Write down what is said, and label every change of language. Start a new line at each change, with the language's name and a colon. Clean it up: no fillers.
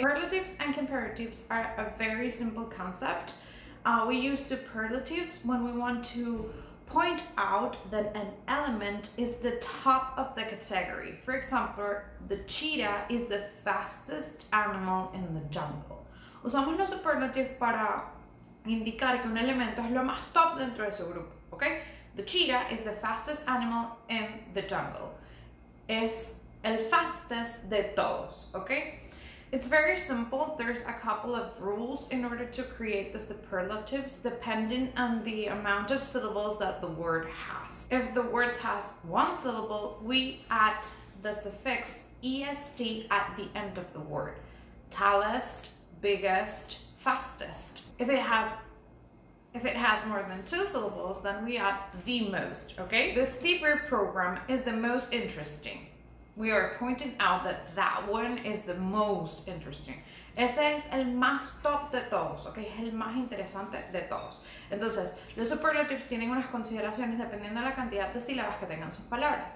English: Superlatives and comparatives are a very simple concept. We use superlatives when we want to point out that an element is the top of the category. For example, the cheetah is the fastest animal in the jungle.
Spanish: Usamos los superlatives para indicar que un elemento es lo más top dentro de su grupo, okay? The cheetah is the fastest animal in the jungle. Es el fastest de todos, okay?
English: It's very simple. There's a couple of rules in order to create the superlatives depending on the amount of syllables that the word has. If the word has one syllable, we add the suffix est at the end of the word. Tallest, biggest, fastest. If it has more than two syllables, then we add the most, okay? The steeper program is the most interesting. We are pointing out that that one is the most interesting.
Spanish: Ese es el más top de todos, okay? Es el más interesante de todos. Entonces, los superlatives tienen unas consideraciones dependiendo de la cantidad de sílabas que tengan sus palabras.